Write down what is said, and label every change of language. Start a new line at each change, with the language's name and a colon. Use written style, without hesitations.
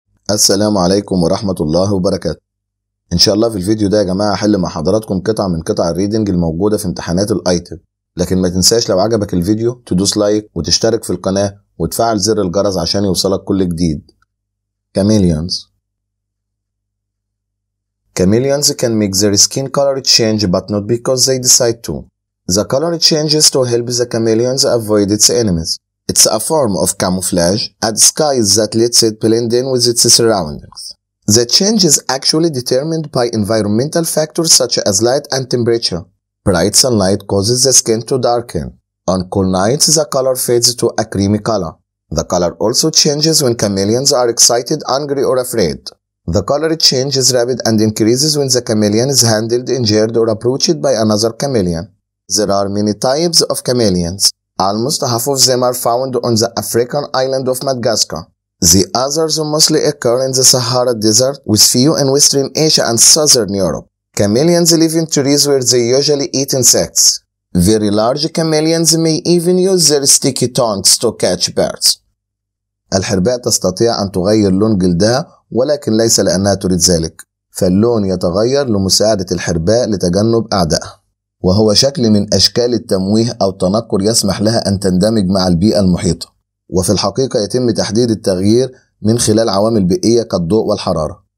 Arabic: السلام عليكم ورحمة الله وبركاته. ان شاء الله في الفيديو ده يا جماعة هحل مع حضراتكم قطعة من قطع الريدينج الموجودة في امتحانات الايتب. لكن ما تنساش لو عجبك الفيديو تدوس لايك وتشترك في القناة وتفعل زر الجرس عشان يوصلك كل جديد.
English: Chameleons can make their skin color change but not because they decide to. The color changes to help the chameleons avoid its enemies. It's a form of camouflage, a disguise that lets it blend in with its surroundings. The change is actually determined by environmental factors such as light and temperature. Bright sunlight causes the skin to darken. On cool nights, the color fades to a creamy color. The color also changes when chameleons are excited, angry, or afraid. The color change is rapid and increases when the chameleon is handled, injured, or approached by another chameleon. There are many types of chameleons. Almost half of them are found on the African island of Madagascar. The others mostly occur in the Sahara Desert, with few in Western Asia and Southern Europe. Chameleons live in trees where they usually eat insects. Very large chameleons may even use their sticky tongues to catch birds.
Arabic: الحرباء تستطيع أن تغير لون جلدها ولكن ليس لأنها تريد ذلك. فاللون يتغير لمساعدة الحرباء لتجنب أعدائها. وهو شكل من أشكال التمويه أو التنكر يسمح لها أن تندمج مع البيئة المحيطة. وفي الحقيقة يتم تحديد التغيير من خلال عوامل بيئية كالضوء والحرارة.